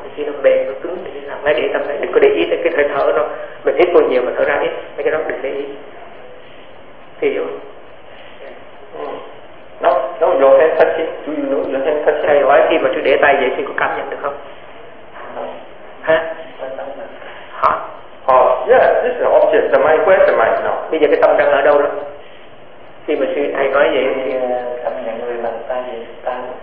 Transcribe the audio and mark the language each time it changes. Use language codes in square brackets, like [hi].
[vi] Khi nó mềm, nó cứng thì làm ngay để tâm đây. Đừng có để ý tới cái thời thở nó. Mình hít vô nhiều mà thở ra ít. Mấy cái đó đừng để ý. Thì hiểu. [en] No, your hand touching. Do you know your hand touching? [vi] Thầy hỏi khi mà tôi để tay vậy thì có cảm nhận được không? Hả? Hả? [en] Yeah, this is the object, the mind, where's the mind now? [vi] Bây giờ cái tâm đang ở đâu đó? Khi mà sư thầy nói vậy thì cảm nhận người bằng tay vậy, tay.